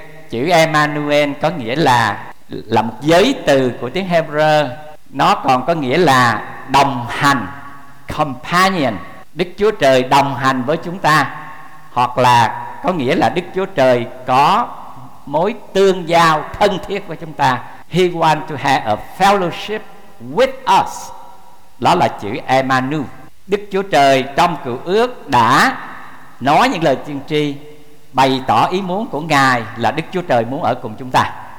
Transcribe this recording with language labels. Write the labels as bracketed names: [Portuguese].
[Vietnamese] Chữ Emmanuel có nghĩa là một giới từ của tiếng Hebrew. Nó còn có nghĩa là đồng hành, companion. Đức Chúa Trời đồng hành với chúng ta. Hoặc là có nghĩa là Đức Chúa Trời có mối tương giao thân thiết với chúng ta. [English] He wants to have a fellowship with us. [Vietnamese] Đó là chữ Emmanuel. Đức Chúa Trời trong Cựu Ước đã nói những lời tiên tri, bày tỏ ý muốn của Ngài là Đức Chúa Trời muốn ở cùng chúng ta.